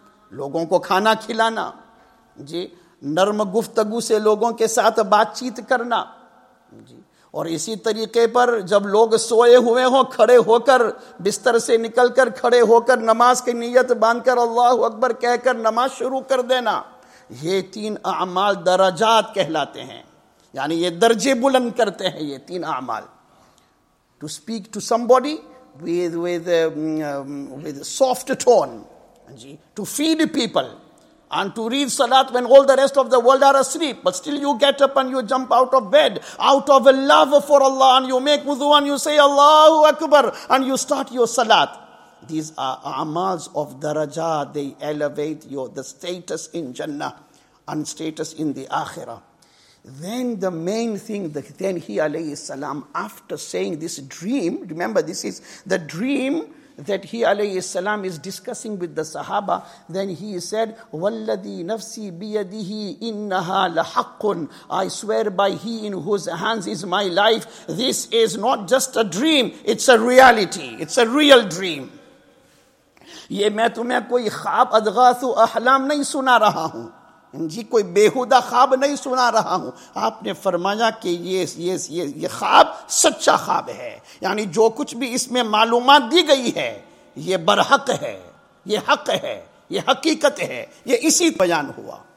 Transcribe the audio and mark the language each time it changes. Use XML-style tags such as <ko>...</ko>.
<ur>لوگوں کو کھانا کھلانا جی, نرم گفتگو سے لوگوں کے ساتھ بات چیت کرنا جی, اور اسی طریقے پر جب لوگ سوئے ہوئے ہوں, کھڑے ہو کر بستر سے نکل کر کھڑے ہو کر نماز کی نیت باندھ کر اللہ اکبر کہہ کر نماز شروع کر دینا. یہ تین اعمال درجات کہلاتے ہیں, یعنی یہ درجے بلند کرتے ہیں. یہ تین اعمال,</ur> <en>to speak to somebody with soft tone, ji, to feed people, and to read salat when all the rest of the world are asleep, but still you get up and you jump out of bed out of love for Allah, and you make wudu and you say Allahu Akbar and you start your salat. These are amals of darajat. They elevate the status in Jannah and status in the Akhirah. Then the main thing, then he, alayhi salam, after saying this dream, remember this is the dream that he, alayhi salam, is discussing with the Sahaba. Then he said,</en> <ar>وَالَّذِي نَفْسِي بِيَدِهِ إِنَّهَا لَحَقٌ,</ar> <en>I swear by he in whose hands is my life, this is not just a dream, it's a reality, it's a real dream.</en> <ur>یہ میں تمہیں کوئی خواب ادغاث و احلام نہیں سنا رہا ہوں, جی کوئی بےہودہ خواب نہیں سنا رہا ہوں. آپ نے فرمایا کہ یہ خواب سچا خواب ہے, یعنی جو کچھ بھی اس میں معلومات دی گئی ہے یہ برحق ہے, یہ حق ہے, یہ حقیقت ہے, یہ اسی بیان ہوا.</ur>